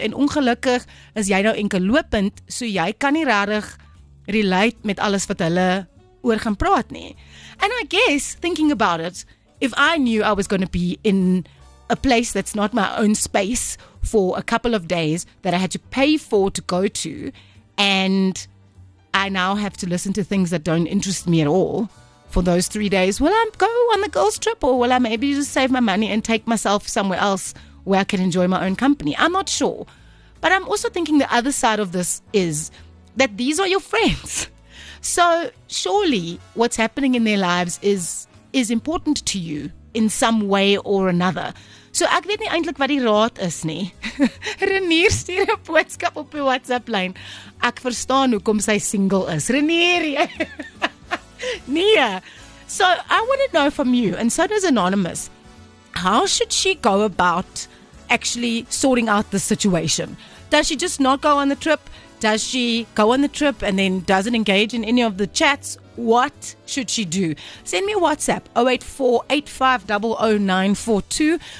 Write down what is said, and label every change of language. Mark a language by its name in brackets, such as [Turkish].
[Afrikaans] En ongelukkig is jy nou enkel lopend, so jy kan nie regtig relate met alles wat hulle oor gaan praat nie. [English] And I guess, thinking about it, if I knew I was going to be in a place that's not my own space for a couple of days that I had to pay for to go to, and I now have to listen to things that don't interest me at all for those 3 days, will I go on the girls' trip, or will I maybe just save my money and take myself somewhere else where I can enjoy my own company? I'm not sure. But I'm also thinking the other side of this is that these are your friends. So surely what's happening in their lives is important to you in some way or another. [Afrikaans] So ek weet nie eintlik wat die raad is nie. Renier stuur 'n boodskap op die WhatsApp lyn. Ek verstaan hoekom sy single is. Renier. Nee. [English] So I want to know from you, and so does Anonymous, how should she go about actually sorting out the situation? Does she just not go on the trip? Does she go on the trip and then doesn't engage in any of the chats? What should she do? Send me a WhatsApp, 084-850-0942.